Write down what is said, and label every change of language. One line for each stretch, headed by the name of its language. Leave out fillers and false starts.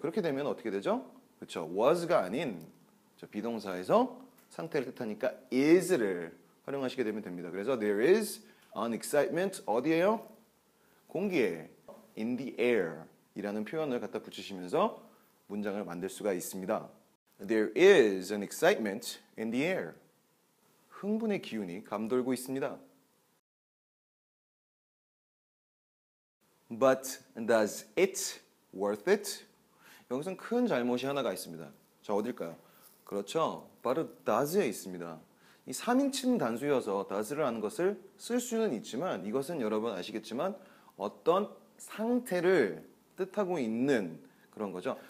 Korean: 그렇게 되면 어떻게 되죠? 그렇죠. was가 아닌 비동사에서 상태를 뜻하니까 is를 활용하시게 되면 됩니다. 그래서
English: there is an excitement
Korean: 어디에요? 공기에, in the air 이라는 표현을 갖다 붙이시면서 문장을 만들 수가 있습니다.
English: There is an excitement in the air.
Korean: 흥분의 기운이 감돌고 있습니다.
English: But does it worth it?
Korean: 여기서 큰 잘못이 하나가 있습니다. 자, 어딜까요? 그렇죠. 바로 does에 있습니다. 이 3인칭 단수여서 does를 하는 것을 쓸 수는 있지만, 이것은 여러분 아시겠지만 어떤 상태를 뜻하고 있는 그런 거죠.